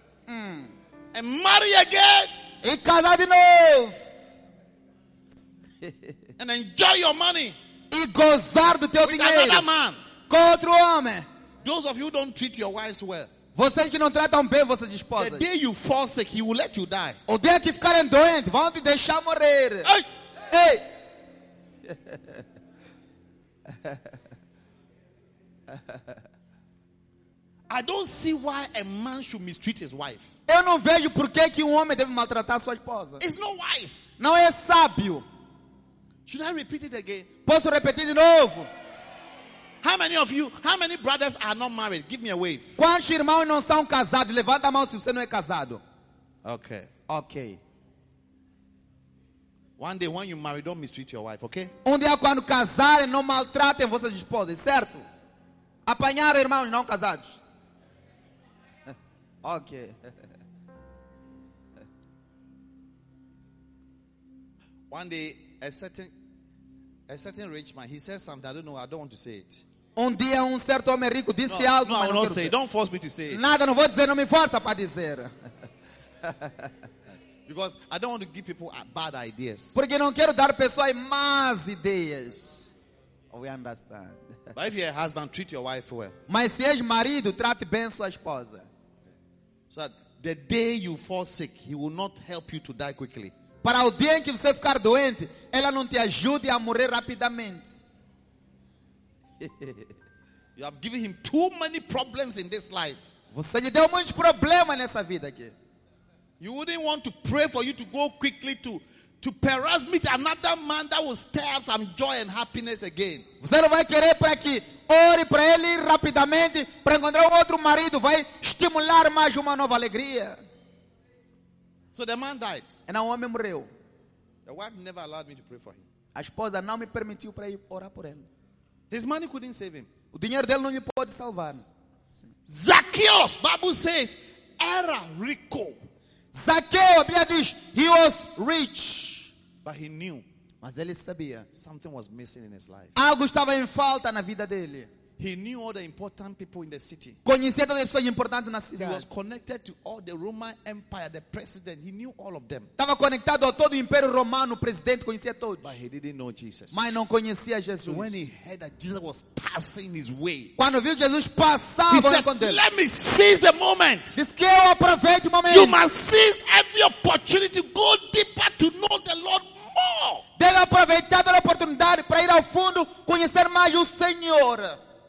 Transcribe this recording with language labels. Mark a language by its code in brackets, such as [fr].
[en] And marry again. [pt] E casar de novo. [en] And enjoy your money. [pt] E gozar do teu dinheiro. [en] With another man. [pt] Com outro homem. [en] Those of you who don't treat your wives well. [pt] Vocês que não tratam bem vossas esposas. [en] The day you fall sick, he will let you die. [pt] O dia que ficarem doentes, vão te deixar morrer. Ei! Ei! [en] I don't see why a man should mistreat his wife. [pt] Eu não vejo por que um homem deve maltratar sua esposa. [en] It's not wise. [pt] Não é sábio. [en] Should I repeat it again? [pt] Posso repetir de novo? [en] How many of you, how many brothers are not married? Give me a wave. [pt] Quantos irmãos não são casados? Levanta a mão se você não é casado. Okay. Okay. [en] One day when you marry, don't mistreat your wife, okay? [pt] Um dia quando casarem, não maltratem vossas esposas, certo? Apanhar irmãos não casados. Ok. [en] One day, a certain rich man, he said something. I don't know. I don't want to say it. [pt] Um dia certo homem rico disse algo. [en] No, I will not say. Don't force me to say it. [pt] Nada, não vou dizer. Não me força para dizer. [en] Because I don't want to give people bad ideas. [pt] Porque não quero dar pessoas más ideias. [en] Oh, we understand. But if you're a husband, treat your wife well. [pt] Mas se és marido, trate bem sua esposa. [en] So that the day you fall sick, he will not help you to die quickly. [pt] Para o dia em que você ficar doente, ela não te ajude a morrer rapidamente. [en] You have given him too many problems in this life. [pt] Você lhe deu muitos problemas nessa vida aqui. [en] You wouldn't want to pray for you to go quickly to to perhaps meet another man that will stir up some joy and happiness again. [pt] Você não vai querer para que ore para ele rapidamente para encontrar outro marido, vai estimular mais uma nova alegria. [en] So the man died. [pt] And o homem morreu. [en] The wife never allowed me to pray for him. [pt] A esposa não me permitiu para ir orar por ele. [en] His money couldn't save him. [pt] O dinheiro dele não me pode salvar. [en] Zacchaeus, Bible says, [pt] era rico. Zaqueu, a Bíblia diz, [en] he was rich. But he knew. [pt] Mas ele sabia. [en] Something was missing in his life. [pt] Algo estava em falta na vida dele. [en] He knew all the important people in the city. [pt] Conhecia todas as pessoas importantes na cidade. [en] He was connected to all the Roman Empire, the president. He knew all of them. [pt] Estava conectado a todo o Império Romano, o presidente, conhecia todos. [en] But he didn't know Jesus. [pt] Mas não conhecia Jesus. [en] So when he heard that Jesus was passing his way, [pt] quando viu Jesus passava, [en] he said, "Let me seize the moment." [pt] Diz que eu aproveite o momento. [en] You must seize every opportunity to go deeper to know the Lord more. [pt] Deve aproveitar toda a oportunidade para ir ao fundo, conhecer mais o Senhor.